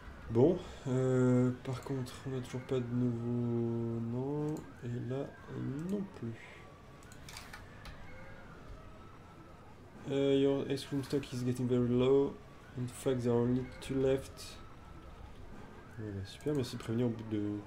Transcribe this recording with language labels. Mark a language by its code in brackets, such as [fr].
[fr] Bon, par contre, on n'a toujours pas de nouveau nom, et là non plus. [en] Your ice cream stock is getting very low. In fact, there are only two left. [fr] Voilà, super, merci de prévenir au bout de.